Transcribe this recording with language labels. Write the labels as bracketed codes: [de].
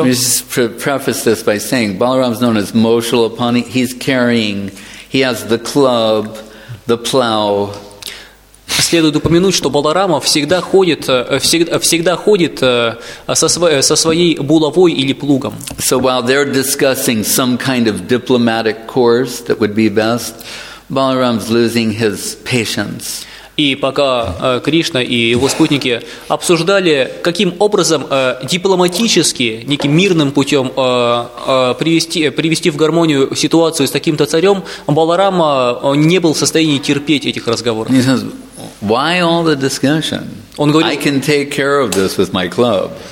[en] Let me preface this by saying, Balaram's known as Moshalapani, he's carrying, he has the club, the plow. [ru] Следует упомянуть, что Баларама всегда ходит, всегда ходит со своей булавой или плугом. [en] So while they're discussing some kind of diplomatic course that would be best, Balaram's losing his patience. [ru] И пока Кришна и его спутники обсуждали, каким образом дипломатически, неким мирным путем привести в гармонию ситуацию с таким-то царем, Баларама не был в состоянии терпеть этих разговоров. [en] He says, why all the discussion? [ru] Он говорит, [en] I can take care of this with my club.